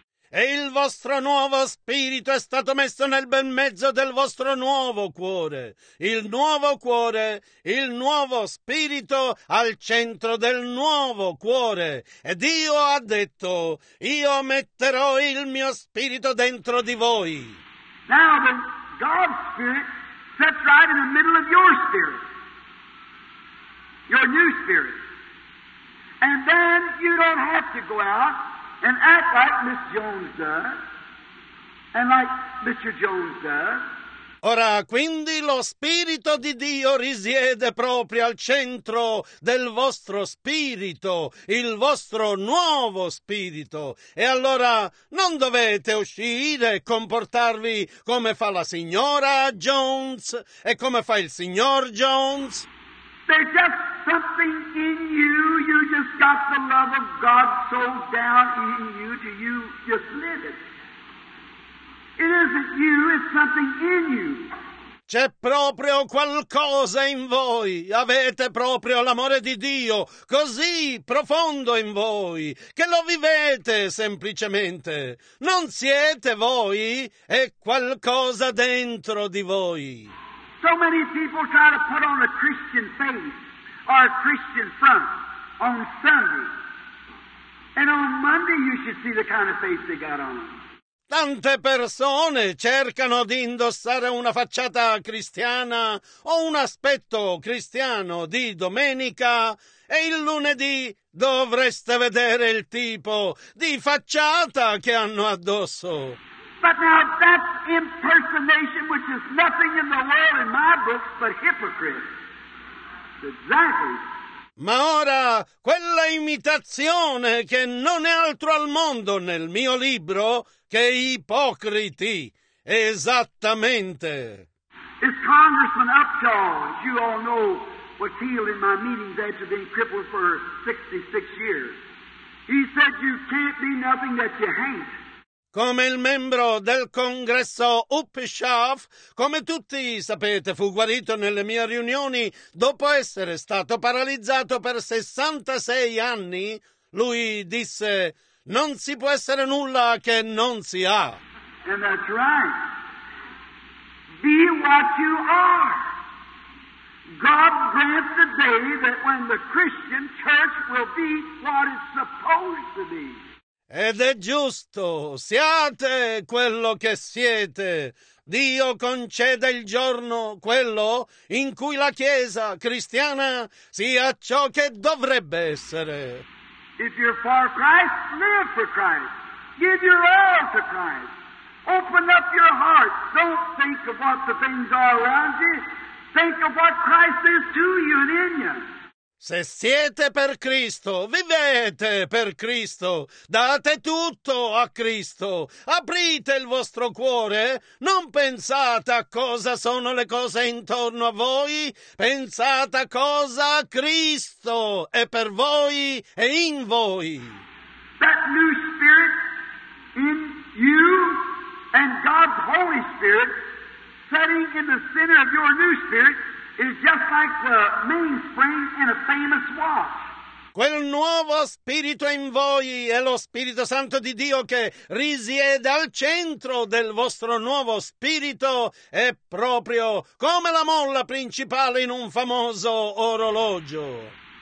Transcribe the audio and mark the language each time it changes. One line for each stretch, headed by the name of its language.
Italian: E il vostro nuovo spirito è stato messo nel bel mezzo del vostro nuovo cuore. Il nuovo cuore, il nuovo spirito al centro del nuovo cuore. E Dio ha detto, io metterò il mio spirito dentro di voi.
English: Now the God's spirit sits right in the middle of your spirit. Your new spirit. And then you don't have to go out and act like Miss Jones does, and like Mr. Jones does.
Italian: Ora, quindi, lo Spirito di Dio risiede proprio al centro del vostro spirito, il vostro nuovo spirito. E allora, non dovete uscire e comportarvi come fa la signora Jones e come fa il signor Jones.
English: There's just something in you, you just got the love of God so down in you to you just live it. It isn't you, it's something in you.
Italian: C'è proprio qualcosa in voi, avete proprio l'amore di Dio così profondo in voi che lo vivete semplicemente. Non siete voi, è qualcosa dentro di voi.
English: So many people try to put on a Christian face or a Christian front on Sunday. And on Monday you should see the kind of face they got on.
Italian: Tante persone cercano di indossare una facciata cristiana o un aspetto cristiano di domenica e il lunedì dovreste vedere il tipo di facciata che hanno addosso.
English: But now that's impersonation, which is nothing in the world in my books but hypocrite. Exactly.
Italian: Ma ora, quella imitazione che non è altro al mondo nel mio libro che ipocriti. Esattamente.
English: It's Congressman Upshaw, as you all know, was healed in my meetings after being crippled for 66 years. He said, you can't be nothing that you ain't.
Italian: Come il membro del congresso Upshaw, come tutti sapete, fu guarito nelle mie riunioni dopo essere stato paralizzato per 66 anni. Lui disse, non si può essere nulla che non si ha.
English: And that's right. Be what you are. God grant the day that when the Christian church will be what it's supposed to be.
Italian: Ed è giusto, siate quello che siete. Dio conceda il giorno, quello, in cui la Chiesa cristiana sia ciò che dovrebbe essere.
English: If you're for Christ, live for Christ. Give your all to Christ. Open up your heart. Don't think of what the things are around you. Think of what Christ is to you and in you.
Italian: Se siete per Cristo, vivete per Cristo, date tutto a Cristo, aprite il vostro cuore, non pensate a cosa sono le cose intorno a voi, pensate a cosa Cristo è per voi e in voi.
English: That new spirit in you and God's Holy Spirit setting in the center of your new spirit. It's just like the mainspring in a famous watch.
Italian: Quel nuovo spirito in voi è lo Spirito Santo di Dio che risiede al centro del vostro nuovo spirito è proprio come la molla principale in un famoso orologio.